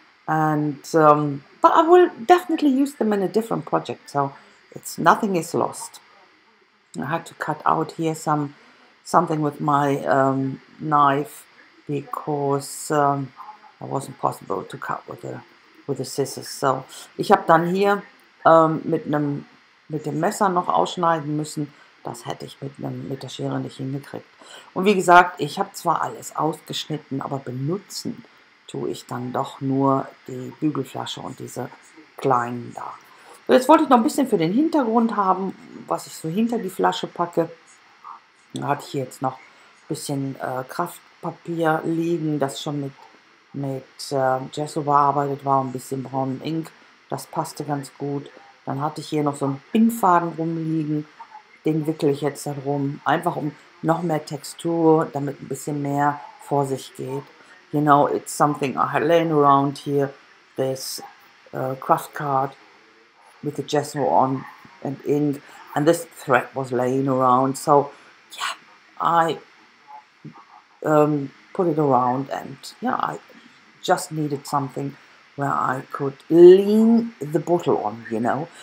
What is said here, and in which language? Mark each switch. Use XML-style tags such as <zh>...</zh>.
<en>And but I will definitely use them in a different project, so it's nothing is lost. I had to cut out here something with my knife, because it wasn't possible to cut with the scissors.</en> <de>So ich habe dann hier mit dem Messer noch ausschneiden müssen. Das hätte ich mit der Schere nicht hingekriegt. Und wie gesagt, ich habe zwar alles ausgeschnitten, aber benutzen tue ich dann doch nur die Bügelflasche und diese kleinen da. Jetzt wollte ich noch ein bisschen für den Hintergrund haben, was ich so hinter die Flasche packe. Da hatte ich jetzt noch ein bisschen Kraftpapier liegen, das schon mit Gesso bearbeitet war, ein bisschen braunem Ink. Das passte ganz gut. Dann hatte ich hier noch so einen Pinnfaden rumliegen. Den wickle ich jetzt da drum, einfach um noch mehr Textur, damit ein bisschen mehr vor sich geht.</de> <en>You know, it's something I had laying around here, this craft card with the gesso on and ink, and this thread was laying around, so yeah, I put it around, and yeah, I just needed something where I could lean the bottle on, you know.</en>